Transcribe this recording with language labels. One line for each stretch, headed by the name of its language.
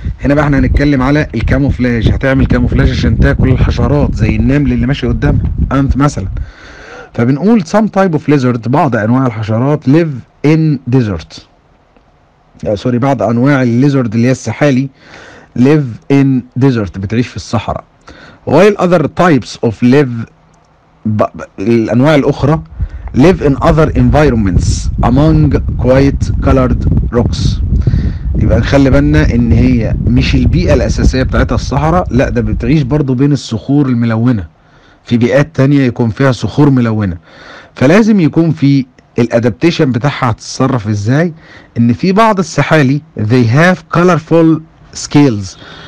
Arabic: هنا بقى احنا هنتكلم على الكاموفلاج، هتعمل كاموفلاج عشان تاكل الحشرات زي النمل اللي ماشي قدامها انت مثلا. فبنقول
English: some type of lizard،
Arabic: بعض انواع الحشرات،
English: live in desert،
Arabic: سوري، بعض انواع الليزرد اللي هي السحالي، live in desert، بتعيش في الصحراء.
English: while other types of live،
Arabic: الانواع الاخرى،
English: live in other environments among quiet colored rocks.
Arabic: يبقى نخلي بالنا ان هي مش البيئة الاساسية بتاعتها الصحراء، لا، ده بتعيش برضو بين الصخور الملونة، في بيئات تانية يكون فيها صخور ملونة. فلازم يكون في الادابتيشن بتاعها هتتصرف ازاي، ان في بعض السحالي
English: they have colorful scales.